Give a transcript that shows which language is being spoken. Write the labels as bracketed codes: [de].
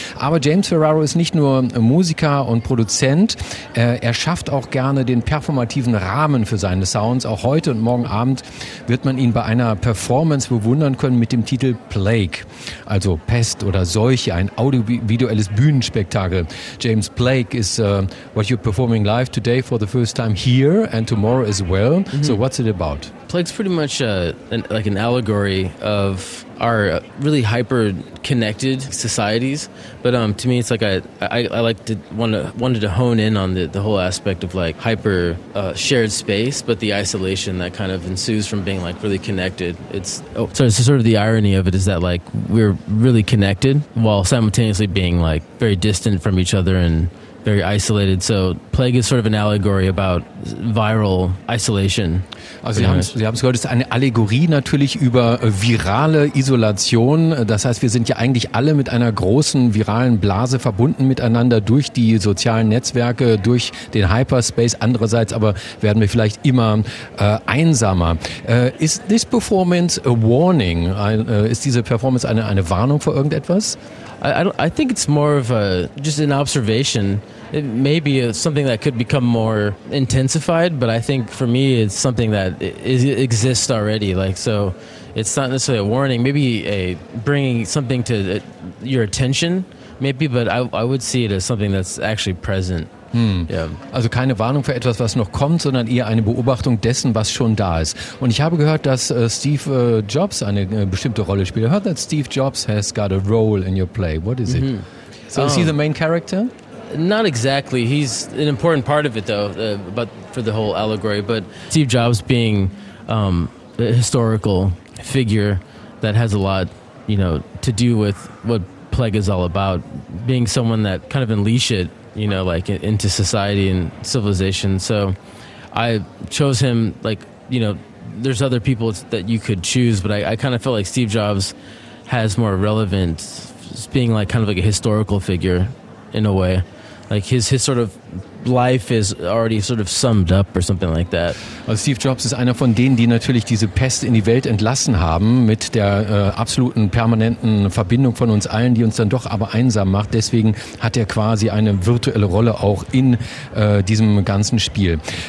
[de] Aber James Ferraro ist nicht nur Musiker und Produzent, er schafft auch gerne den performativen Rahmen für seine Sounds. Auch heute und morgen Abend wird man ihn bei einer Performance bewundern können mit dem Titel Plague, also Pest oder Seuche, ein audiovisuelles Bühnenspektakel. [en] James, Plague is what you're performing live today for the first time here and tomorrow as well. Mm-hmm. So what's it about? Plague's pretty much an allegory of our really hyper-connected societies. But to me, it's like I wanted to hone in on the whole aspect of like hyper shared space, but the isolation that kind of ensues from being like really connected. So sort of the irony of it is that like we're really connected while simultaneously being like very distant from each other and very isolated. So Plague is sort of an allegory about viral isolation. [de] Also Sie haben es gehört, es ist eine Allegorie natürlich über virale Isolation. Das heißt, wir sind ja eigentlich alle mit einer großen viralen Blase verbunden miteinander durch die sozialen Netzwerke, durch den Hyperspace. Andererseits aber werden wir vielleicht immer einsamer. [en] Is this performance a warning? [de] Ist diese Performance eine Warnung vor irgendetwas? [en] I think it's more of an observation. It may be something that could become more intensified, but I think for me it's something that exists already. Like, so it's not necessarily a warning, maybe a bringing something to your attention, maybe, but I would see it as something that's actually present. [de] Also keine Warnung für etwas, was noch kommt, sondern eher eine Beobachtung dessen, was schon da ist. Und ich habe gehört, dass Steve Jobs eine bestimmte Rolle spielt. [en] I heard that Steve Jobs has got a role in your play. What is mm-hmm. it? So is he the main character? Not exactly. He's an important part of it, though, but for the whole allegory. But Steve Jobs being a historical figure that has a lot, you know, to do with what Plague is all about, being someone that kind of unleashed it, you know, like into society and civilization. So I chose him, like, you know, there's other people that you could choose, but I kind of felt like Steve Jobs has more relevance being like kind of like a historical figure in a way. Like his sort of life is already sort of summed up or something like that. [de] Also Steve Jobs ist einer von denen, die natürlich diese Pest in die Welt entlassen haben mit der absoluten permanenten Verbindung von uns allen, die uns dann doch aber einsam macht. Deswegen hat er quasi eine virtuelle Rolle auch in diesem ganzen Spiel.